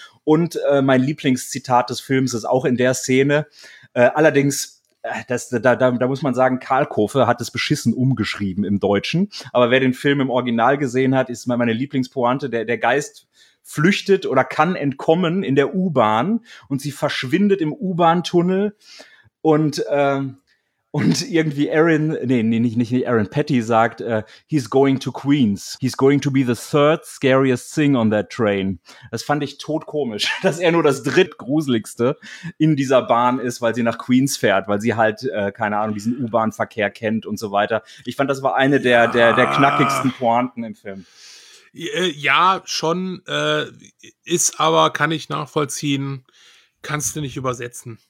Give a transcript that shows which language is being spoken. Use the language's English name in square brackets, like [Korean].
[German] Und mein Lieblingszitat des Films ist auch in der Szene, allerdings, da muss man sagen, Karl Kofe hat es beschissen umgeschrieben im Deutschen, aber wer den Film im Original gesehen hat, ist meine Lieblingspointe, der Geist flüchtet oder kann entkommen in der U-Bahn und sie verschwindet im U-Bahn-Tunnel und irgendwie Aaron, Patty sagt, [English] he's going to Queens. He's going to be the third scariest thing on that train. [German] Das fand ich todkomisch, dass er nur das drittgruseligste in dieser Bahn ist, weil sie nach Queens fährt, weil sie halt, keine Ahnung, diesen U-Bahn-Verkehr kennt und so weiter. Ich fand, das war eine der knackigsten Pointen im Film. Ja, schon, ist aber, kann ich nachvollziehen, kannst du nicht übersetzen.